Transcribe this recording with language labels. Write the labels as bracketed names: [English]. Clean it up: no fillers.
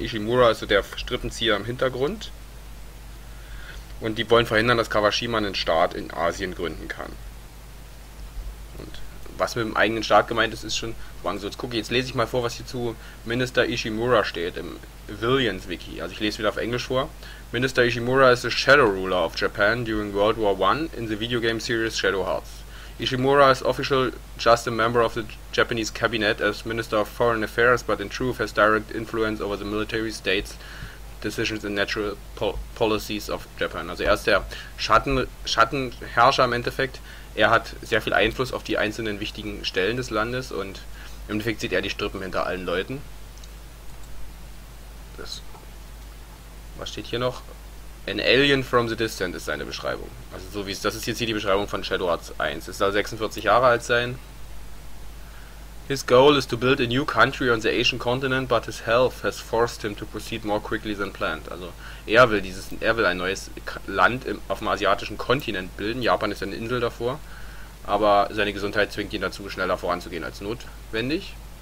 [German] Ishimura ist so der Strippenzieher im Hintergrund. Und die wollen verhindern, dass Kawashima einen Staat in Asien gründen kann. Und was mit dem eigenen Staat gemeint ist, ist schon... So, jetzt lese ich mal vor, was hier zu Minister Ishimura steht im Villains Wiki. Also ich lese wieder auf Englisch vor. [English] Minister Ishimura is the Shadow Ruler of Japan during World War I in the video game series Shadow Hearts. Ishimura is official just a member of the Japanese cabinet as Minister of Foreign Affairs, but in truth has direct influence over the military states. Decisions and Natural Policies of Japan. [German] Also er ist der Schattenherrscher im Endeffekt. Er hat sehr viel Einfluss auf die einzelnen wichtigen Stellen des Landes und im Endeffekt sieht er die Strippen hinter allen Leuten. Das. Was steht hier noch? [English] An Alien from the Distant [German] ist seine Beschreibung. Also so wie es, das ist jetzt hier die Beschreibung von Shadow Hearts 1. Es soll 46 Jahre alt sein. [English] His goal is to build a new country on the Asian continent, but his health has forced him to proceed more quickly than planned. [German] Also, er will ein neues Land auf dem asiatischen Kontinent bilden. Japan ist eine Insel davor. Aber seine Gesundheit zwingt ihn dazu, schneller voranzugehen als notwendig.